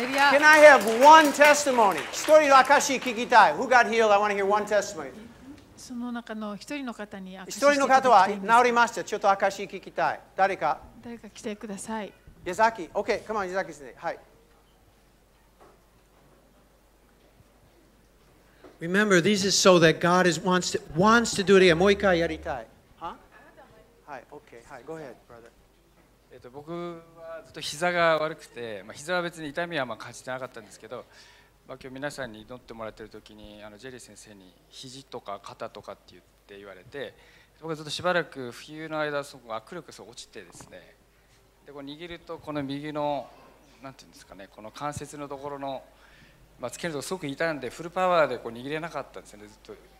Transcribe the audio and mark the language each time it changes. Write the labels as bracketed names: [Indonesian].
[English] Can I have one testimony? [Japanese] 一人の証し聞きたい。 [English] Who got healed? I want to hear one testimony. [Japanese] その中の一人の方に証し。一人の方は治りました。ちょっと証し聞きたい。誰か。誰か来てください。矢崎。 [English] Okay, come on, 矢崎先生。 [Japanese] はい。 [English] Remember, this is so that God is wants to do it again. [Japanese] もう一回やりたい。は？はい。 [English] Okay. [Japanese] はい。 [English] Go ahead, brother. [Japanese] 僕はずっと膝が悪くて、まあ、膝は別に痛みはまあ感じてなかったんですけど、まあ、今日皆さんに祈ってもらってる時にあのジェリー先生に肘とか肩とかって言われて僕はずっとしばらく冬の間そこ握力が落ちてですね、でこう握るとこの右のなんていうんですかね、この関節のところの、まあ、つけるとすごく痛んでフルパワーでこう握れなかったんですね、ずっと。